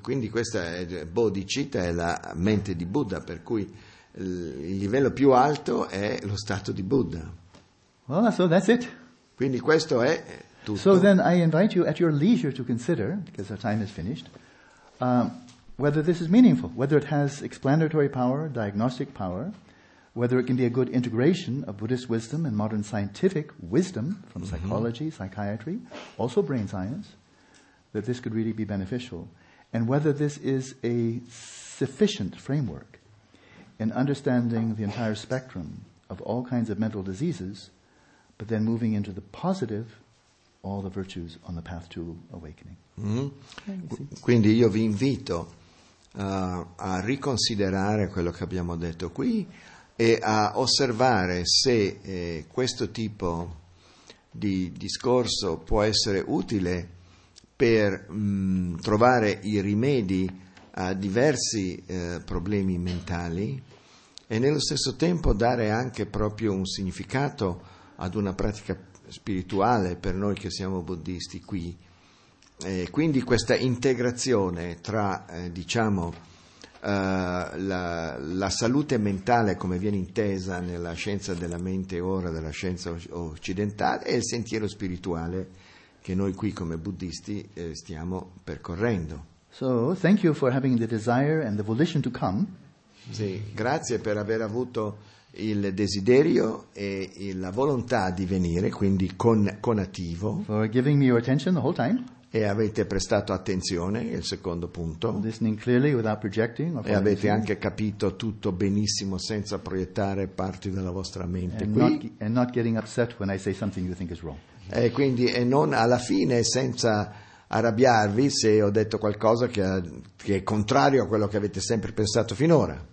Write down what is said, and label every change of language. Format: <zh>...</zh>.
<it>Quindi questa è bodhicitta, è la mente di Buddha, per cui il livello più alto è lo stato di Buddha.</it> <en>Well, so that's it.</en> <it>Quindi questo è tutto.</it> <en>So then I invite you at your leisure to consider, because our time is finished, whether this is meaningful, whether it has explanatory power, diagnostic power, whether it can be a good integration of Buddhist wisdom and modern scientific wisdom from psychology, psychiatry, also brain science, that this could really be beneficial, and whether this is a sufficient framework in understanding the entire spectrum of all kinds of mental diseases, but then moving into the positive, all the virtues on the path to awakening.</en> <it>Quindi io vi invito a riconsiderare quello che abbiamo detto qui e a osservare se questo tipo di discorso può essere utile per trovare i rimedi a diversi problemi mentali e nello stesso tempo dare anche proprio un significato ad una pratica spirituale per noi che siamo buddisti qui. Quindi questa integrazione tra, diciamo, la salute mentale come viene intesa nella scienza della mente ora, della scienza occidentale, e il sentiero spirituale che noi qui come buddisti stiamo percorrendo.</it> <en>So, thank you for having the desire and the volition to come.</en> <it>Sì, grazie per aver avuto il desiderio e la volontà di venire, quindi conativo.</it> <en>For giving me your attention the whole time.</en> <it>E avete prestato attenzione, il secondo punto.</it> <en>Listening clearly without projecting,</en> <it>e avete anche capito tutto benissimo senza proiettare parti della vostra mente</it> <en>and</en> <it>qui.</it> <en>And not getting upset when I say something you think is wrong.</en> <it>E quindi, e non alla fine senza arrabbiarvi se ho detto qualcosa che è contrario a quello che avete sempre pensato finora.</it>